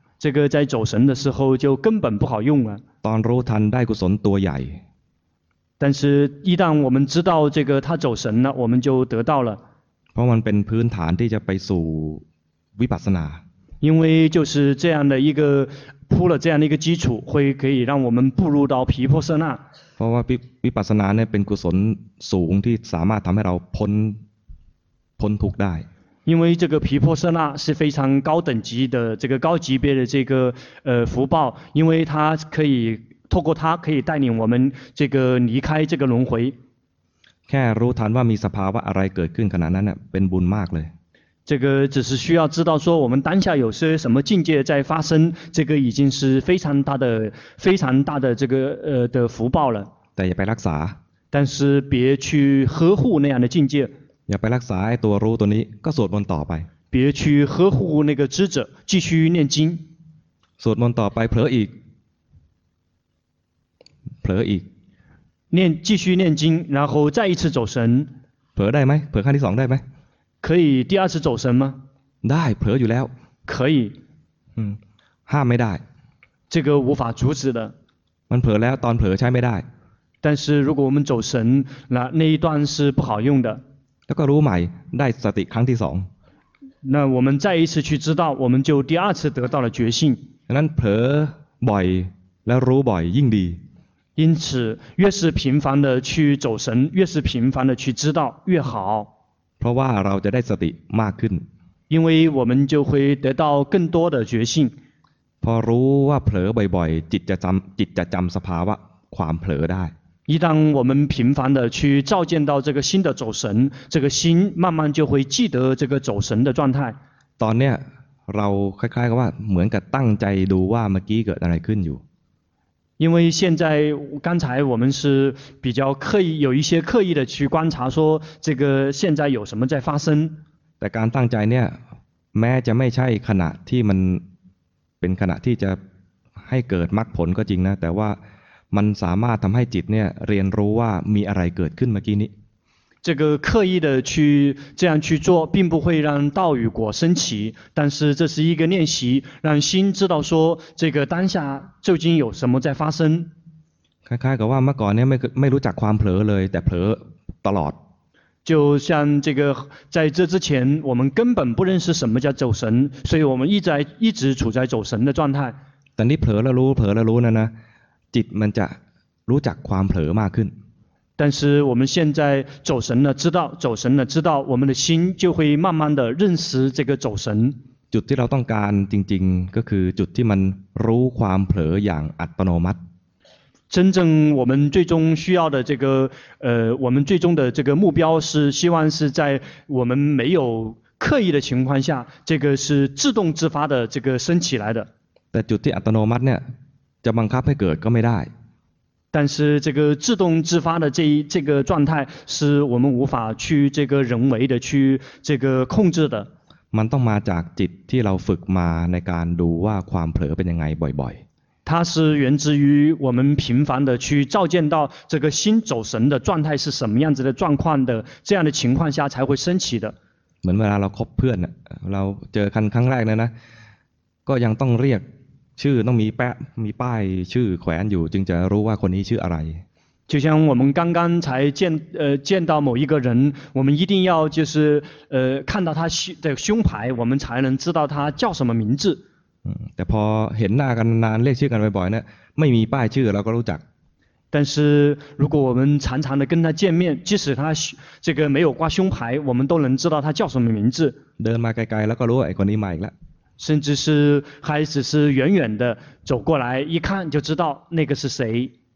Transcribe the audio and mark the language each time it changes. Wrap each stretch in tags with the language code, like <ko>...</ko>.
<zh>这个在走神的时候就根本不好用了</zh> <th>ตอนรู้ทันได้กุศลตัวใหญ่</th> <zh>但是一旦我们知道这个他走神了我们就得到了</zh> <th>เพราะมันเป็นพื้นฐานที่จะไปสู่วิปัสสนา</th> <zh>因为就是这样的一个铺了这样的一个基础会可以让我们步入到毗婆舍那</zh> <th>เพราะว่าวิปัสสนาเนี่ยเป็นกุศลสูงที่สามารถทำให้เราพ้นทุกข์ได้</th> <zh>因为这个毗婆舍那是非常高等级的这个高级别的这个福报因为它可以透过它可以带领我们这个离开这个轮回</zh> <th>แค่รู้ทันว่ามีสภาวะอะไรเกิดขึ้นขณะนั้นน่ะเป็นบุญมากเลย</th> <zh>这个只是需要知道说我们当下有些什么境界在发生这个已经是非常大的非常大的这个的福报了</zh> <th>แต่อย่าไปรักษา</th> <zh>但是别去呵护那样的境界</zh> <th>อย่าไปรักษาตัวรู้ตัวนี้ก็สวดมนต์ต่อไป</th> <zh>别去呵护那个知者继续念经</zh> <th>สวดมนต์ต่อไปเผลออีกเผลออีก</th> <zh>念继续念经然后再一次走神</zh> <th>เผลอได้ไหมเผลอขั้นที่สองได้ไหม</th> <zh>可以第二次走神吗</zh> <th>ได้เผลออยู่แล้ว</th> <zh>可以</zh> <th>ห้ามไม่ได้</th> <zh>这个无法阻止的</zh> <th>มันเผลอแล้วตอนเผลอใช้ไม่ได้</th> <zh>但是如果我们走神那那一段是不好用的</zh> <th>แล้วก็รู้ใหม่ได้สติครั้งที่สอง</th> <zh>那我们再一次去知道我们就第二次得到了觉性</zh> <th>ฉะนั้นเผลอบ่อยและรู้บ่อยยิ่งดี</th> <zh>因此越是频繁的去走神越是频繁的去知道越好</zh> <th>เพราะว่าเราจะได้สติมากขึ้น</th> <zh>因为我们就会得到更多的觉性</zh> <th>พอรู้ว่าเผลอบ่อยๆจิตจะจำสภาวะความเผลอได้</th> <zh>一旦我们频繁的去照见到这个心的走神这个心慢慢就会记得这个走神的状态</zh> <th>ตอนเนี้ยเราคล้ายๆกับว่าเหมือนกับตั้งใจดูว่าเมื่อกี้เกิดอะไรขึ้นอยู่</th> <zh>因为现在刚才我们是比较刻意有一些刻意的去观察说这个现在有什么在发生</zh> <th>แต่การตั้งใจเนี้ยแม้จะไม่ใช่ขณะที่มันเป็นขณะที่จะให้เกิดมรรคผลก็จริงนะแต่ว่ามันสามารถทำให้จิตเนี่ยเรียนรู้ว่ามีอะไรเกิดขึ้นเมื่อกี้นี้</th> <zh>这个刻意的去这样去做并不会让道与果升起但是这是一个练习让心知道说这个当下究竟有什么在发生</zh> <th>คล้ายๆกับว่าเมื่อก่อนเนี่ยไม่รู้จักความเผลอเลยแต่เผลอตลอด</th> <zh>就像这个在这之前我们根本不认识什么叫走神所以我们一直处在走神的状态</zh> <th>แต่นี่เผลอแล้วรู้เผลอแล้วรู้นะจิตมันจะรู้จักความเผลอมากขึ้น</th> <zh>但是我们现在走神了知道走神了知道我们的心就会慢慢的认识这个走神</zh> <th>จุดที่เราต้องการจริงๆก็คือจุดที่มันรู้ความเผลออย่างอัตโนมัติ</th> <zh>真正我们最终需要的这个我们最终的这个目标是希望是在我们没有刻意的情况下这个是自动自发的这个升起来的</zh> <th>แต่จุดที่อัตโนมัติเนี่ยจะบังคับให้เกิดก็ไม่ได้</th> <zh>但是这个自动自发的这个状态是我们无法去这个人为的去这个控制的</zh> <th>มันต้องมาจากจิตที่เราฝึกมาในการดูว่าความเผลอเป็นยังไงบ่อย</th> <zh>ๆ它是源自于我们频繁的去照见到这个心走神的状态是什么样子的状况的这样的情况下才会升起的</zh> <th>เหมือนเวลาเราคบเพื่อนเราเจอกันครั้งแรกนะก็ยังต้องเรียกชื่อต้องมีแปะมีป้ายชื่อแขวนอยู่จึงจะรู้ว่าคนนี้ชื่ออะไร</th> <zh>就像我们刚刚才见到某一个人我们一定要就是看到他的胸牌我们才能知道他叫什么名字</zh> <th>แต่พอเห็นหน้ากันนานเรียกชื่อกันบ่อยๆเนี่ยไม่มีป้ายชื่อเราก็รู้จัก</th> <zh>但是如果我们常常的跟他见面即使他这个没有挂胸牌我们都能知道他叫什么名字</zh> <th>เดินมาไกลๆแล้วก็รู้ว่าไอ้คนนี้มาอีกแล้ว</th> <zh>甚至是还只是远远的走过来一看就知道那个是谁</zh>